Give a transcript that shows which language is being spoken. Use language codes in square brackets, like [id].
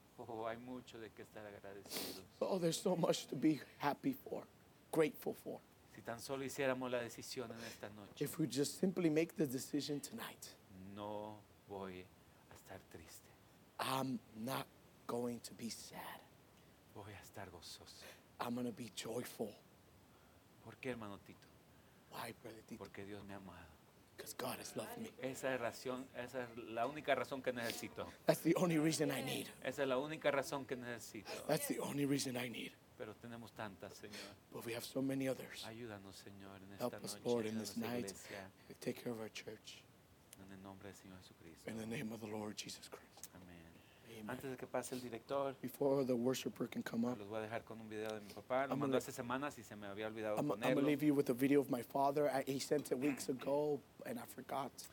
[es] Oh, hay mucho de que estar agradecidos. [en] Oh, there's so much to be happy for, grateful for. [es] Si tan solo hiciéramos la decisión en esta noche. [en] If we just simply make the decision tonight. [es] No voy a estar triste. [en] I'm not going to be sad. [es] Voy a estar gozoso. [en] I'm going to be joyful. [es] ¿Por qué, hermano Tito? [en] Why, brother Tito? [es] Porque Dios me ha amado. [en] Because God has loved me. [es] Esa es la única razón que necesito. [en] That's the only reason I need. [es] Esa es la única razón que necesito. [en] That's the only reason I need. [es] Pero tenemos tantas, Señor. [en] But we have so many others. [es] Ayúdanos, Señor, en [en] help [es] esta [en] us, [es] noche. [en] Lord, in [es] ayúdanos [en] this night. [es] Iglesia. [en] Take care of our church. [es] En el nombre del Señor Jesucristo. [en] In the name of the Lord Jesus Christ. [es] Amen. Amen. Antes de que pase el director, [en] before the worshiper can come up, [es] los voy a dejar con un video de mi papá. Lo mandó hace semanas y se me había olvidado ponerlo. [en] I'm going to leave you with a video of my father. He sent it weeks ago and I forgot.